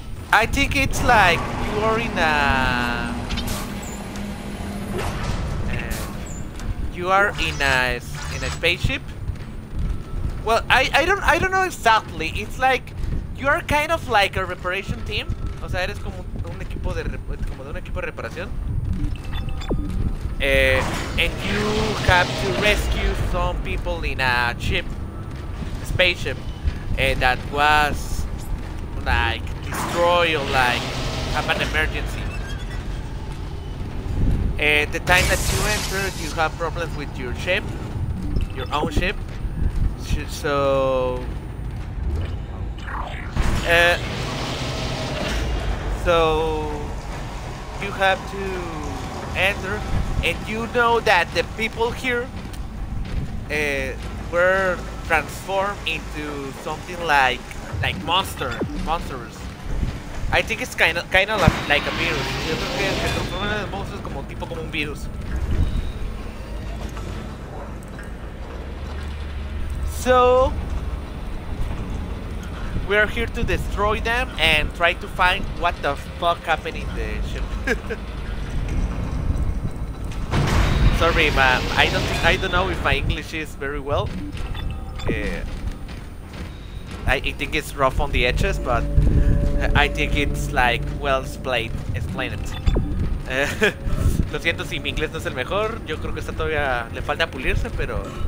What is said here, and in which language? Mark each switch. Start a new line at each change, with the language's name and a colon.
English: I think it's like you are in a... you are in a spaceship. Well, I don't know exactly. It's like you are kind of like a reparation team.
Spanish: O sea, eres como un equipo de reparación.
English: And you have to rescue some people in a ship, a spaceship, and that was like destroy or like have an emergency. The time that you enter, you have problems with your ship, your own ship. So, so you have to enter, and you know that the people here were transformed into something like monsters. I think it's kind of like a virus.
Spanish: Yo creo que se transforman en monstruos como tipo como un virus.
English: So we are here to destroy them and try to find what the fuck happened in the ship. Sorry, ma'am. I don't know if my English is very well. I think it's rough on the edges, but I think it's like well explained.
Spanish: Lo siento si mi inglés no es el mejor. Yo creo que está todavía le falta pulirse, pero.